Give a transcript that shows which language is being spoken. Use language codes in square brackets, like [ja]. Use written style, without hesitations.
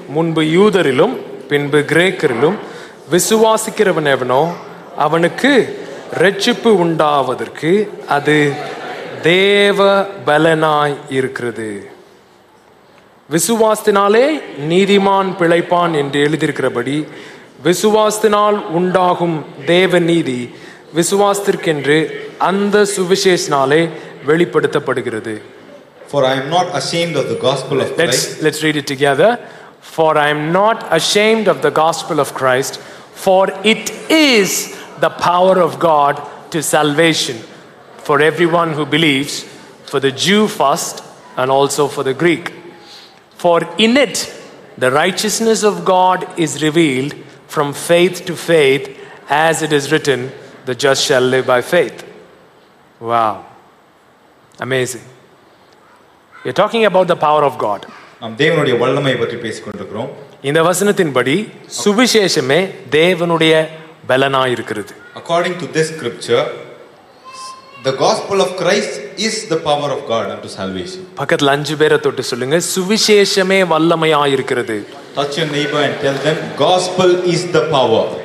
[ta] முன்பு யூதரிலும் பின்பு கிரேக்கரிலும் விசுவாசிக்கிறவன் எவனோ அவனுக்கு ரட்சிப்பு உண்டாவதற்கு அது தேவ பலனாய் இருக்கிறது. விசுவாசத்தினாலே நீதிமான் பிழைப்பான் என்று எழுதியிருக்கிறபடி விசுவாசத்தினால் உண்டாகும் தேவ நீதி விசுவாசத்திற்கென்று அந்த சுவிசேஷனாலே வெளிப்படுத்தப்படுகிறது. [en] For I am not ashamed of the gospel of Christ. Let's read it together. For I am not ashamed of the gospel of Christ, for it is the power of God to salvation for everyone who believes, for the Jew first and also for the Greek. For in it the righteousness of God is revealed from faith to faith, as it is written, the just shall live by faith. Wow. Amazing. You're talking about the power of God. [ta] நாம் தேவனுடைய வல்லமையை பற்றி பேசிக் கொண்டிருக்கிறோம். இந்த வசனத்தின்படி சுவிசேஷமே தேவனுடைய பலனாய் இருக்கிறது. [en] According to this scripture, the gospel of Christ is the power of God unto salvation. [ta] பக்கத்துல அஞ்சு பேரை தொட்டு சொல்லுங்க, சுவிசேஷமே வல்லமையாய் இருக்கிறது. [en] Touch your neighbor and tell them, gospel is the power.